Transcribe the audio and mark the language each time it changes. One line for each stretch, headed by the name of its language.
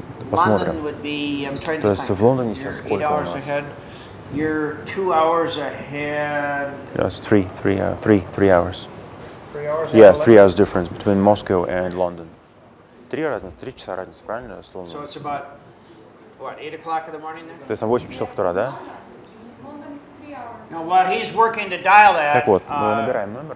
Russian: Посмотрим. То есть, в Лондоне сейчас сколько у нас?
English: You're 2 hours ahead. Yes, three hours. Yes, 3 hours difference between Moscow and London.
Russian: Три разницы, 3 часа разницы, правильно?
English: So, it's about, what, 8 o'clock in the morning then?
Russian: То есть, там 8 часов утра, да?
English: Now, while he's working to dial that,
Russian: так вот, мы набираем номер